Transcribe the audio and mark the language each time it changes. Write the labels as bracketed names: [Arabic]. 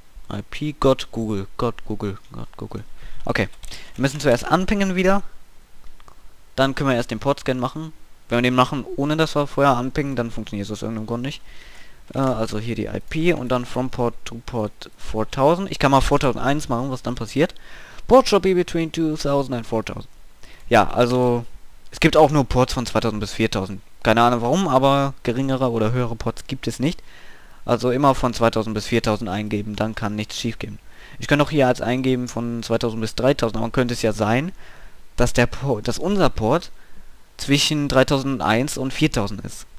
[German] IP, Gott, Google. Gott, Google. Gott, Google. Okay. Wir müssen zuerst anpingen wieder. Dann können wir erst den Portscan machen. Wenn wir den machen, ohne dass wir vorher anpingen, dann funktioniert das aus irgendeinem Grund nicht. Also hier die IP und dann [English] from port to port [German] 4000. Ich kann mal 4001 machen, was dann passiert. [English] Port should be between 2000 and 4000. [German] Ja, also es gibt auch nur Ports von 2000 bis 4000. Keine Ahnung warum, aber geringere oder höhere Ports gibt es nicht. Also immer von 2000 bis 4000 eingeben, dann kann nichts schief gehen. Ich könnte auch hier als eingeben von 2000 bis 3000, aber könnte es ja sein, dass der Port, dass unser Port zwischen 3001 und 4000 ist.